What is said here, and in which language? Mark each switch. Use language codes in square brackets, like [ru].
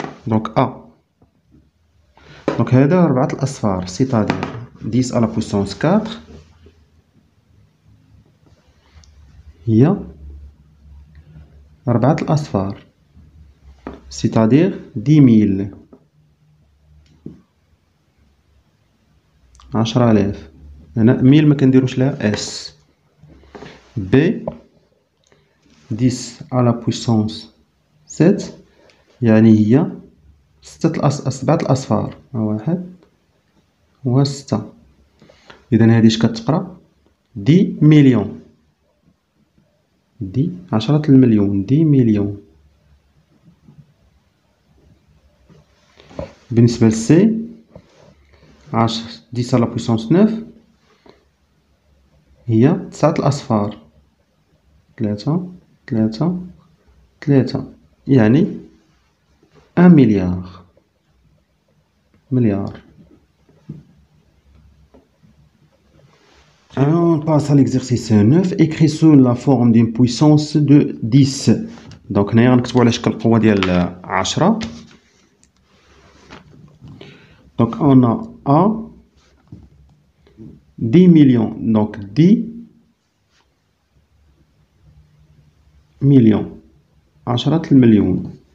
[fr] donc A, donc [ar] هذا 4 الأصفار، [fr] c'est-à-dire 10 à la puissance 4 [ar] هي 4 الأصفار، [fr] c'est-à-dire 10 000، 10 000. [ar] هنا 1000 ما كنديروش لها S. [fr] B, 10 à la puissance 7, [ar] يعني هي 7 الأصفار، 1 و 6. إذا هذه كتقرا 10 مليون، 10 المليون، 10 مليون. بالنسبة لـ C، [fr] 10 à la puissance 9 [ar] هي 9 الأصفار، 3 3 3، يعني 1 مليار، مليار. [fr] On passe à l'exercice 9 écrit sous la forme d'une puissance de 10. [ar] Donc هنا نكتبوا على شكل قوة ديال 10. [fr] Donc on a A, 10 millions. [ar] Donc 10 مليون، 10 المليون.